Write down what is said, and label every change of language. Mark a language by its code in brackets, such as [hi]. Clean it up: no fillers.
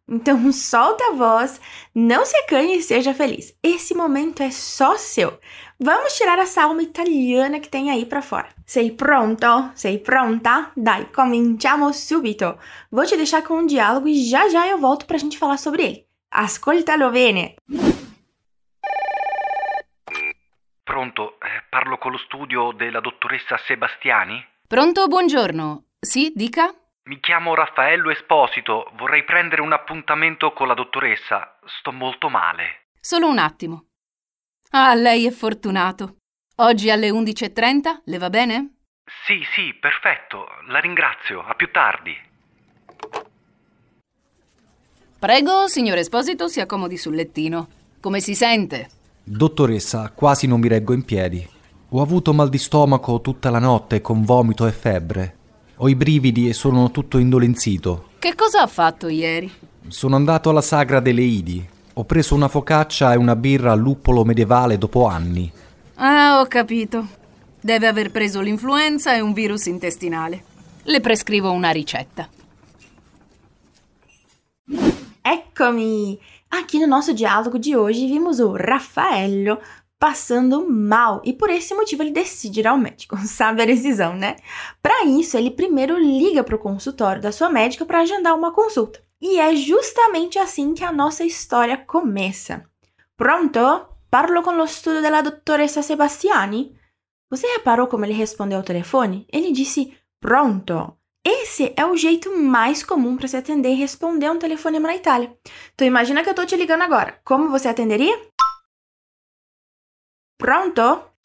[pt] Então, solta a voz, não se acanhe e seja feliz. Esse momento é só seu. Vamos tirar essa alma italiana que tem aí pra fora. [it] Sei pronto? Sei pronta? Dai, cominciamo subito. [pt] Vou te deixar com um diálogo e já já eu volto pra gente falar sobre ele. [it] Ascoltalo bene. Pronto, parlo con lo studio della dottoressa Sebastiani? Pronto, buongiorno. Sì, dica? Mi chiamo Raffaello Esposito, vorrei prendere un appuntamento con la dottoressa. Sto molto male. Solo un attimo. Ah, lei è fortunato. Oggi alle 11:30, le va bene? Sì, sì, perfetto. La ringrazio. A più tardi. Prego, signor Esposito, si accomodi sul lettino. Come si sente? Dottoressa, quasi non mi reggo in piedi. Ho avuto mal di stomaco tutta la notte con vomito e febbre. Ho i brividi e sono tutto indolenzito. Che cosa ha fatto ieri? Sono andato alla Sagra delle Idi. Ho preso una focaccia e una birra al luppolo medievale dopo anni. Ah, ho capito. Deve aver preso l'influenza e un virus intestinale. Le prescrivo una ricetta. Eccomi! [pt] Aqui no nosso diálogo de hoje vimos o Raffaello passando mal, e por esse motivo ele decide ir ao médico, sabe a decisão, né? Para isso, ele primeiro liga para o consultório da sua médica para agendar uma consulta. E é justamente assim que a nossa história começa. [it] Pronto? Parlo con lo studio della dottoressa Sebastiani? [pt] Você reparou como ele respondeu ao telefone? Ele disse pronto. Esse é o jeito mais comum para se atender e responder um telefonema na Itália. Então imagina que eu estou te ligando agora. Como você atenderia? [it] Pronto?